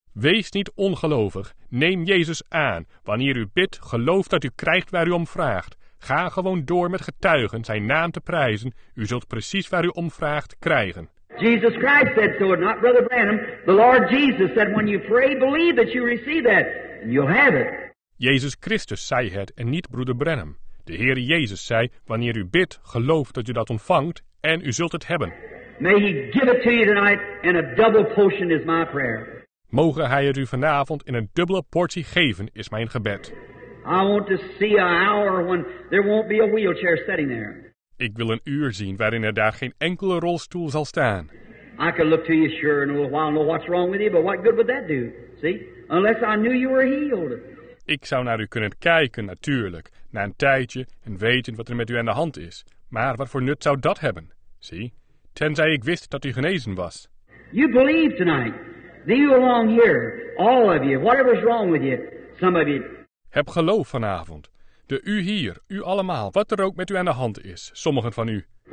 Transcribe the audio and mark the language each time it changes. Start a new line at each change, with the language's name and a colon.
Dutch: Wees niet ongelovig. Neem Jezus aan. Wanneer u bidt, geloof dat u krijgt waar u om vraagt. Ga gewoon door met getuigen zijn naam te prijzen. U zult precies waar u om vraagt krijgen.
English: Jesus Christ said so, not Brother Branham. The Lord Jesus said, when you pray, believe that you receive that, and you'll have it.
Dutch: Jezus Christus zei het en niet Broeder Branham. De Heer Jezus zei, wanneer u bidt, geloof dat u dat ontvangt en u zult het hebben.
English: May he give it to you tonight in a double portion is my prayer.
Dutch: Mogen hij het u vanavond in een dubbele portie geven, is mijn gebed.
English: I want to see an hour when there won't be a wheelchair sitting there.
Dutch: Ik wil een uur zien waarin er daar geen enkele rolstoel zal staan.
English: I could look to you sure in a little while and know what's wrong with you, but what good would that do? See? Unless I knew you were healed.
Dutch: Ik zou naar u kunnen kijken, natuurlijk, na een tijdje en weten wat er met u aan de hand is. Maar wat voor nut zou dat hebben? Zie? Tenzij ik wist dat u genezen was.
English: You believe tonight. You along here, all of you, whatever's wrong with you, some of you.
Dutch: Heb geloof vanavond. De u hier, u allemaal, wat er ook met u aan de hand is, sommigen van u.